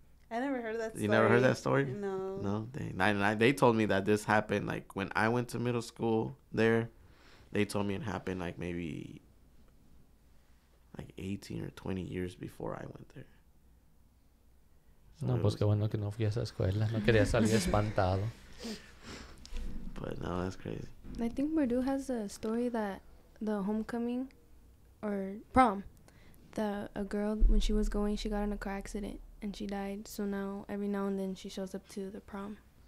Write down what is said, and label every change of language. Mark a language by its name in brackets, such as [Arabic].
[English] I never heard of that story. You never heard that story? No. No? They told me that this happened, like, when I went to middle school there, they told me it happened, like, maybe, like, 18 or 20 years before I went there. [Spanish] So no, pues qué bueno que no fui a esa escuela. No quería salir espantado. [English] But, no, that's crazy. I think Merdu has a story that the homecoming... or prom, a girl, when she was going, she got in a car accident and she died. So now every now and then she shows up to the prom.